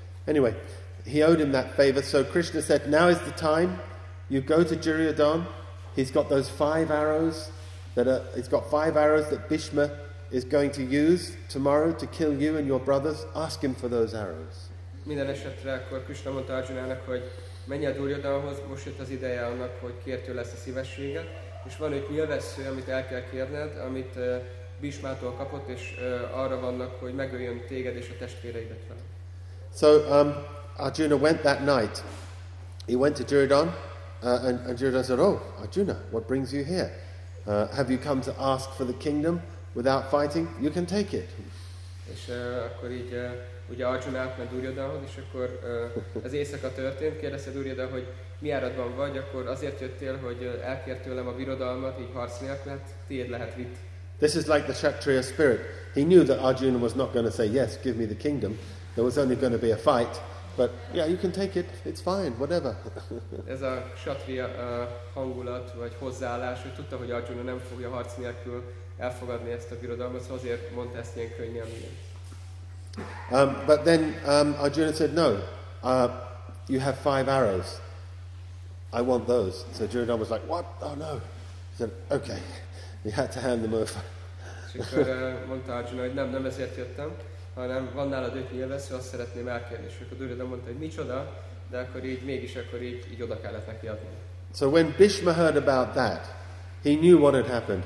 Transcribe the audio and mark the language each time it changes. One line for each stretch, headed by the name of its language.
English: Anyway, he owed him that favor, so Krishna said, now is the time, you go to Duryodhan. He's got those 5 arrows that are, he's got 5 arrows that Bhishma is going to use tomorrow to kill you and your brothers. Ask him for those arrows.
Hungarian: Minden esetre akkor Krishna mondta Arjunának, hogy menj el Duryodhanhoz, most jött az ideje annak, hogy kér tőle ezt a szívességet, és van egy nyilvessző, amit el kell kérned, amit Bhishmától kapott, és arra vannak, hogy megöljön téged és a testvéreidet vele.
English: So Arjuna went that night. He went to Duryodhan. And Duryodhan said, oh, Arjuna, what brings you here? Have you come to ask for the kingdom without fighting? You can take it.
Hungarian: És akkor így, ugye Arjuna átment Duryodhanhoz, és akkor ez éjszaka történt, kérdezte Duryodhan, hogy mi áradban vagy, akkor azért jöttél, hogy elkér tőlem a birodalmat, így harc nélkül, mert tiéd lehet vitt.
English: This is like the Kshatriya spirit. He knew that Arjuna was not going to say, yes, give me the kingdom. There was only going to be a fight. But yeah, you can take it. It's fine. Whatever.
Hungarian: Ez a kshatriya hangulat vagy hozzáállás, hogy tudta, hogy Arjuna nem fogja harc nélkül elfogadni ezt a birodalmat, szóval azért mondta ezt ilyen könnyen.
English: But then Arjuna said, no, you have 5 arrows. I want those. So Duryodhan was like, what? Oh no. He said, okay. He had to hand them over.
Hungarian: Mondta Arjuna, hogy nem ezért jöttem, hanem van nálad 5 nyilvessző, azt szeretném elkérni. És akkor Duryodhan mondta, hogy micsoda, de akkor így, mégis akkor így oda kellett neki adni.
English: So when Bhishma heard about that, he knew what had happened.